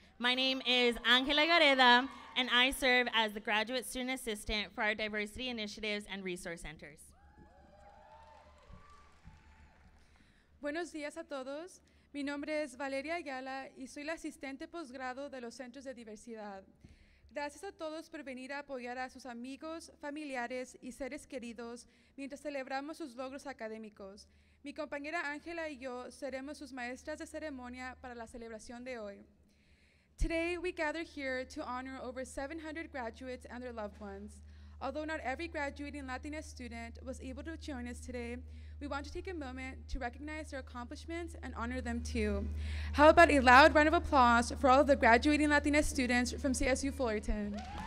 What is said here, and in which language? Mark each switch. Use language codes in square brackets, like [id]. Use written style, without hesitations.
[en] My name is Angela Gareda, and I serve as the Graduate Student Assistant for our diversity initiatives and resource centers. [es] Buenos días a todos. Mi nombre es Valeria Ayala y soy la asistente posgrado de los Centros de Diversidad. Gracias a todos por venir a apoyar a sus amigos, familiares y seres queridos mientras celebramos sus logros académicos. Mi compañera Ángela y yo seremos sus maestras de ceremonia para la celebración de hoy. [en] Today we gather here to honor over 700 graduates and their loved ones. Although not every graduating Latina student was able to join us today, we want to take a moment to recognize their accomplishments and honor them too. How about a loud round of applause for all of the graduating Latina students from CSU Fullerton?